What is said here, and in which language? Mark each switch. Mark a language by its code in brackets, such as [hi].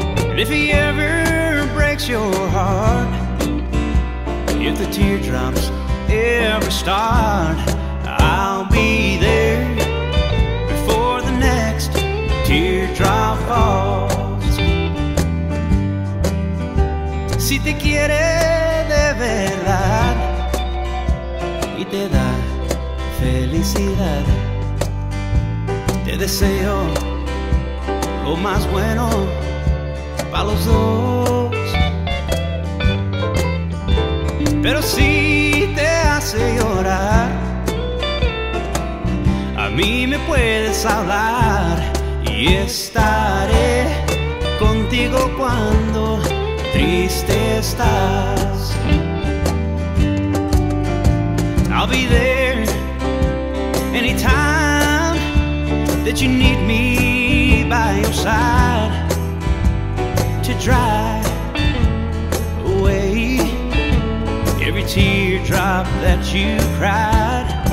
[en] And if he ever breaks your heart, if the teardrops ever start, I'll be there before the next teardrop falls. [es] Si te quiere de verdad y te da felicidad, te deseo lo más bueno para los dos. Pero si te hace llorar, a mí me puedes hablar, y estaré contigo cuando triste estás. [en] I'll be there anytime that you need me by your side to dry away every teardrop that you cried.